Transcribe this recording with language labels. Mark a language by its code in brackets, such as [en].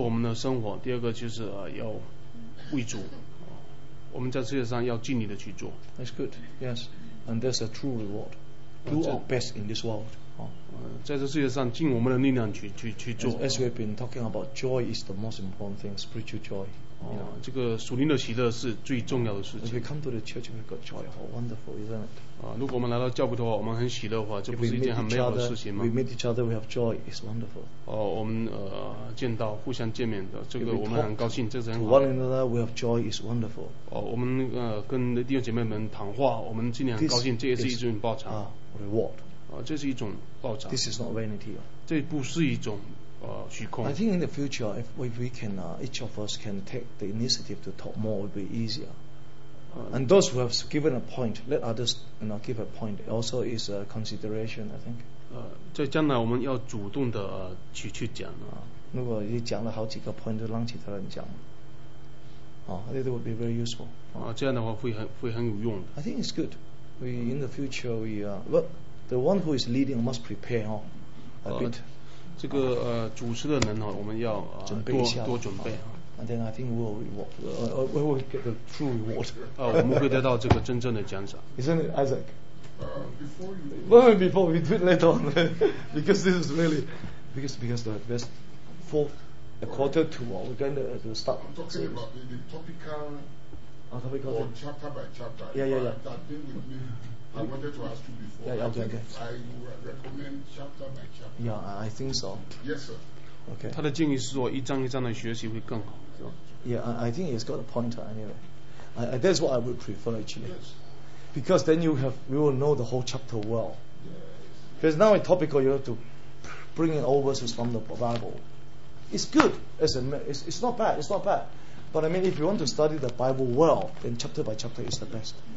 [zh] 我们要做两件事情，第一个就是享受我们的生活，第二个就是要为主。我们在世界上要尽力的去做。 [en] That's good. Yes, and there's a true reward. Do our best in this world. [zh] 在这世界上尽我们的力量去做。 [en] As we've been talking about, joy is the most important thing, spiritual joy. [zh] 这个属灵的喜乐是最重要的事情。 [en] If we come to the church, we've got joy. How wonderful, isn't it? [zh] 如果我们来到教会的话，我们很喜乐的话，这不是一件很美好的事情吗？ [en] We meet each other, we have joy. It's wonderful. [zh] 我们见到互相见面的，这个我们很高兴，这是很好。 [en] One another, we have joy. It's wonderful. [zh] 我们跟弟兄姐妹们谈话，我们今天很高兴，这也是一种报酬。 [en] Reward. [zh] 这是一种报酬。 [en] This is not vanity. [zh] 这不是一种。虚空。 [en] I think in the future if we can each of us can take the initiative to talk more, it will be easier. And those who have given a point, let others, you know, give a point. It also is a consideration, I think. [zh] 在将来我们要主动的 去讲。如果你讲了好几个 point, 就让其他人讲。 [en] It would be very useful. [zh] 这样的话会很有用的。 [en] I think it's good. We in the future we well, the one who is leading must prepare a bit. [zh] 这个 主持的人呢, 我们要准备一下，多准备。 [en] And then I think we'll reward. We will get the true reward. [zh] 我们会得到这个真正的奖赏。 [en] Isn't it, Isaac? Before we do it later on, because this is really because the best four. A quarter to all, we're going to start. I'm talking about the topical or chapter by chapter. Yeah. That thing with me, I wanted to ask you before. Yeah, okay. I recommend chapter by chapter. Yeah, I think so. Yes, sir. Okay. [zh] 他的建议是说一章一章的学习会更好, so. [en] Yeah, I think he's got a point anyway. That's what I would prefer actually. Yes. Because then we will know the whole chapter well. Yes. Because now it's topical, you have to bring in all verses from the Bible. It's good, it's not bad. But I mean, if you want to study the Bible well, then chapter by chapter is the best.